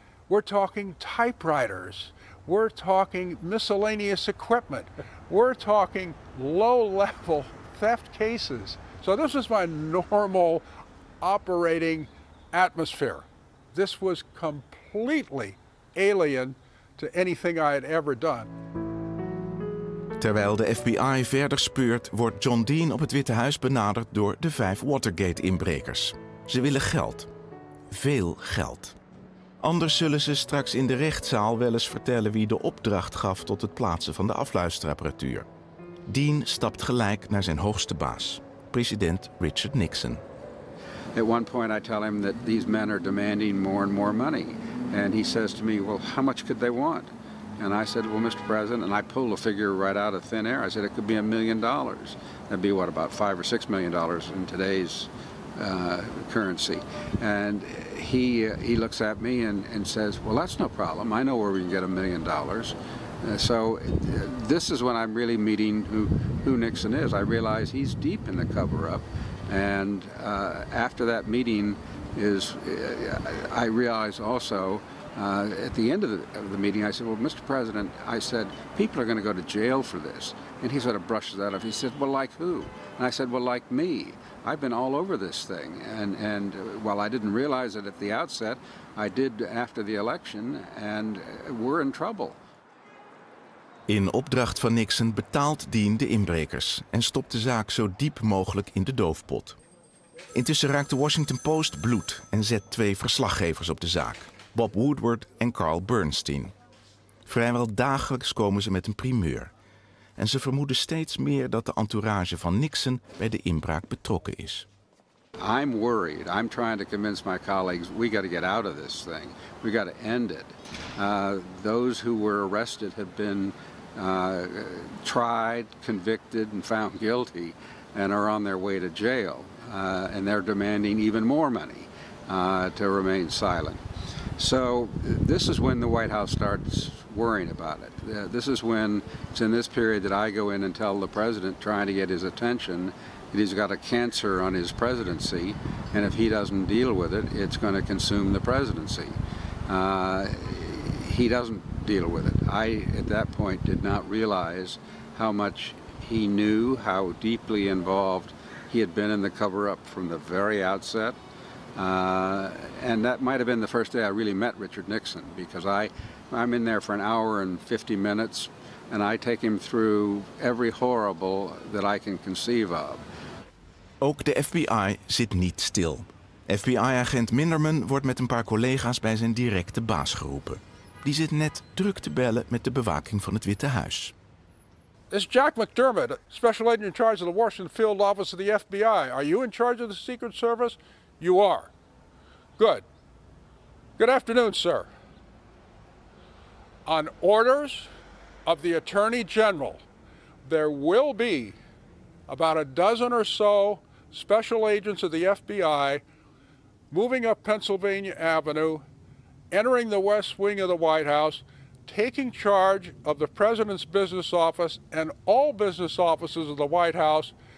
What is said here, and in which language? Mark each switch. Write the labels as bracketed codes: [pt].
[en] We're talking typewriters. We're talking miscellaneous equipment. We're talking low-level theft cases. So this is my normal operating atmosphere. This was completely alien to anything I had ever done. [nl] Terwijl de FBI verder speurt, wordt John Dean op het Witte Huis benaderd door de vijf Watergate-inbrekers. Ze willen geld. Veel geld. Anders zullen ze straks in de rechtszaal wel eens vertellen wie de opdracht gaf tot het plaatsen van de afluisterapparatuur. Dean stapt gelijk naar zijn hoogste baas, president Richard Nixon. [en] At one point I tell him that these men are demanding more and more money. And he says to me, well, how much could they want? And I said, well, Mr. President, and I pulled a figure right out of thin air. I said, it could be $1 million. That'd be, what, about $5 or $6 million in today's currency. And he looks at me and says, well, that's no problem. I know where we can get $1 million. This is when I'm really meeting who Nixon is. I realize he's deep in the cover-up. And after that meeting is, I realize also, at the end of the meeting, I said, well, Mr. President, I said, people are going to go to jail for this. And he sort of brushes that off. He said, well, like who? And I said, well, like me. I've been all over this thing. And while I didn't realize it at the outset, I did after the election, and we're in trouble. [nl] In opdracht van Nixon betaalt Dean de inbrekers en stopt de zaak zo diep mogelijk in de doofpot. Intussen raakt de Washington Post bloed en zet twee verslaggevers op de zaak, Bob Woodward en Carl Bernstein. Vrijwel dagelijks komen ze met een primeur. En ze vermoeden steeds meer dat de entourage van Nixon bij de inbraak betrokken is. [en] I'm worried. I'm trying to convince my colleagues we got to get out of this thing. We got to end it. Those who were arrested have been tried, convicted, and found guilty, and are on their way to jail. And they're demanding even more money to remain silent. So this is when the White House starts worrying about it. This is when it's in this period that I go in and tell the president, trying to get his attention, that he's got a cancer on his presidency, and if he doesn't deal with it, it's going to consume the presidency. He doesn't deal with it. I, at that point, did not realize how much he knew, how deeply involved he had been in the cover-up from the very outset. And that might have been the first day I really met Richard Nixon, because I'm in there for an hour and 50 minutes, and I take him through every horrible that I can conceive of. [nl] Ook de FBI zit niet stil. FBI-agent Minderman wordt met een paar collega's bij zijn directe baas geroepen. Die zit net druk te bellen met de bewaking van het Witte Huis. [en] This is Jack McDermott, special agent in charge of the Washington Field Office of the FBI. Are you in charge of the Secret Service? You are. Good. Good afternoon, sir. On orders of the Attorney General, there will be about a dozen or so special agents of the FBI moving up Pennsylvania Avenue, entering the West Wing of the White House, taking charge of the President's business office and all business offices of the White House.